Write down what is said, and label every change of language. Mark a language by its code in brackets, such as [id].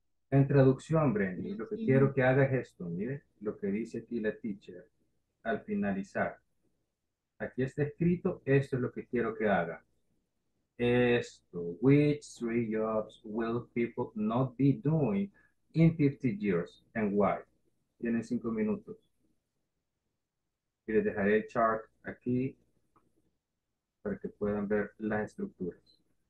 [es] En traducción, Brenny, lo que quiero que haga es esto, mire, lo que dice aquí la teacher, al finalizar. Aquí está escrito, esto es lo que quiero que haga. [en] Esto, which three jobs will people not be doing in 50 years and why? [es] Tienen 5 minutos. Y les dejaré el chart aquí para que puedan ver las estructuras.